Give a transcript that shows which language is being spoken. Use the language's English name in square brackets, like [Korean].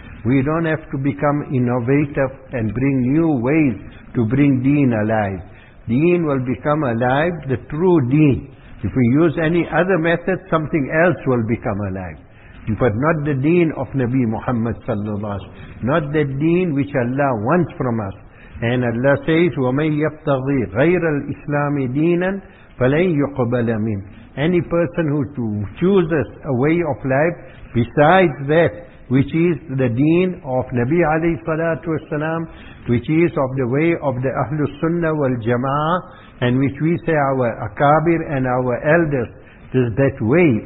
[English] We don't have to become innovative and bring new ways to bring deen alive. Deen will become alive, the true deen. If we use any other method, something else will become alive. But not the deen of Nabi Muhammad sallallahu alaihi wasallam. Not the deen which Allah wants from us. And Allah says, [Arabic] وَمَنْ يَبْتَغِي غَيْرَ الْإِسْلَامِ دِينًا فَلَنْ يُقْبَلَ مِنْ. [English] Any person who chooses a way of life besides that which is the deen of Nabi alayhi salatu wasalam, which is of the way of the Ahlul Sunnah wal Jama'ah, and which we say our akabir and our elders, is that way.